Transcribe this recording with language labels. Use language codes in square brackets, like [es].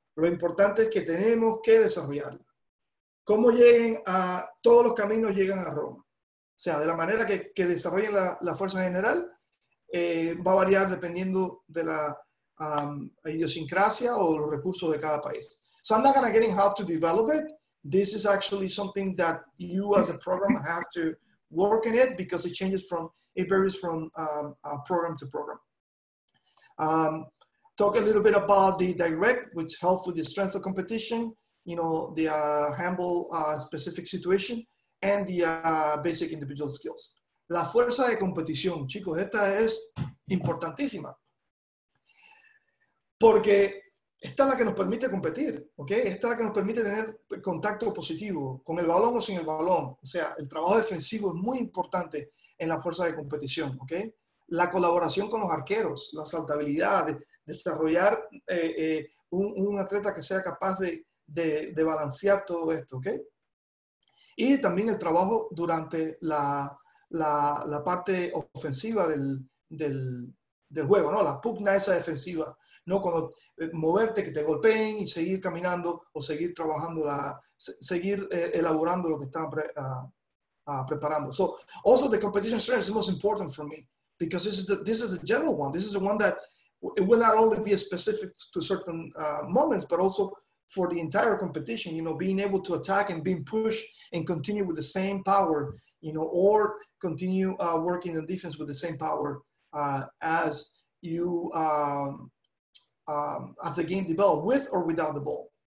[es] Lo importante es que tenemos que desarrollarla. ¿Cómo lleguen a todos los caminos llegan a Roma? O sea, de la manera que desarrollen la fuerza general, va a variar dependiendo de la idiosincrasia o los recursos de cada país. [en] So I'm not going to get in how to develop it. This is actually something that you as a program have to work in it, because it varies from program to program. Talk a little bit about the direct, which helps with the strength of competition, you know, the handle specific situation, and the basic individual skills. [es] La fuerza de competición, chicos, esta es importantísima. Porque esta es la que nos permite competir, ¿ok? Esta es la que nos permite tener contacto positivo con el balón o sin el balón. O sea, el trabajo defensivo es muy importante en la fuerza de competición, ¿ok? La colaboración con los arqueros, la saltabilidad, desarrollar un atleta que sea capaz de balancear todo esto, ¿ok? Y también el trabajo durante la parte ofensiva del juego, ¿no? La pugna esa defensiva, ¿no? Cuando moverte, que te golpeen, y seguir caminando o seguir trabajando, seguir elaborando lo que están preparando. [en] So, also the competition strength is the most important for me, because this is the general one. This is the one that it will not only be specific to certain moments, but also for the entire competition, you know, being able to attack and being pushed and continue with the same power, you know, or continue working in defense with the same power as the game develops, with or without the ball.